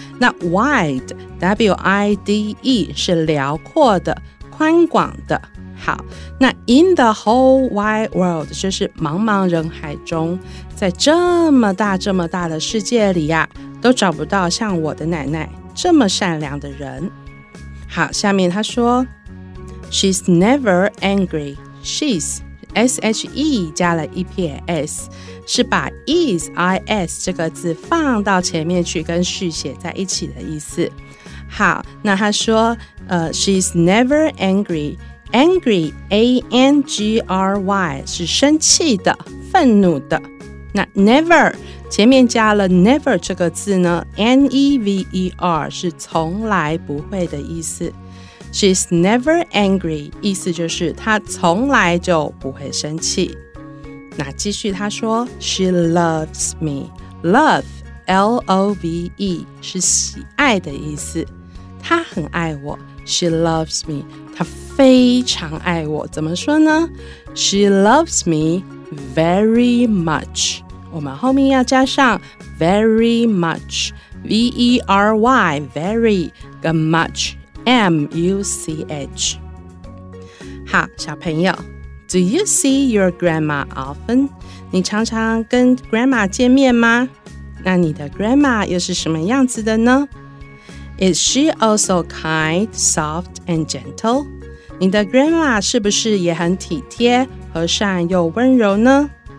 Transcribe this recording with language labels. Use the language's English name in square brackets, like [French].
[Chinese] 那 wide W-I-D-E 是辽阔的，宽广的。好，那 [English] in the whole wide world [Chinese] 就是茫茫人海中，在这么大这么大的世界里啊，都找不到像我的奶奶这么善良的人。好，下面他说 [English] She's never angry. [Chinese] She'sShE 加了一撇 S， 是把 is is 这个字放到前面去跟续写在一起的意思。好，那他说 [English] She's never angry. [Chinese] Angry A-N-G-R-Y 是生气的、愤怒的。那 never 前面加了 never 这个字呢， N-E-V-E-R 是从来不会的意思。 [English] She's never angry， [Chinese] 意思就是她从来就不会生气。那继续她说 [English] She loves me. [Chinese] Love L-O-V-E 是喜爱的意思，她很爱我。 [English] She loves me， [Chinese] 她非常爱我。怎么说呢？ [English] She loves me very much， [Chinese] 我们后面要加上 very much， V-E-R-Y very 跟 muchMUCH。好，小朋友， [English] Do you see your grandma often? [Chinese] 你常常跟 grandma 见面吗？那你的 grandma 又是什么样子的呢？ [English] Is she also kind, soft and gentle? [Chinese] 你的 grandma 是不是也很体贴、和善又温柔呢？